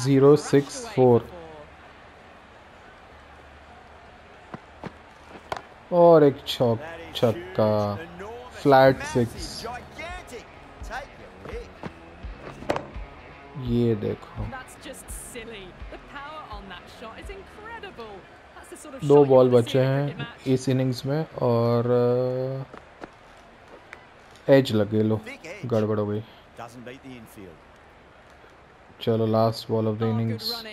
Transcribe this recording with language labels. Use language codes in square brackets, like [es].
[en] 0-6-4. [hi] Or ek chok chakka. [en] Flat 6. [hi] Ye dekho. [en] That's just silly. The power on that shot is incredible. That's the sort of. [hi] दो ball बचे हैं इस innings में और as लगे लो, गड़बड़ हो गई। [en] Doesn't beat the infield. [hi] Chalo, [en] last ball of the innings.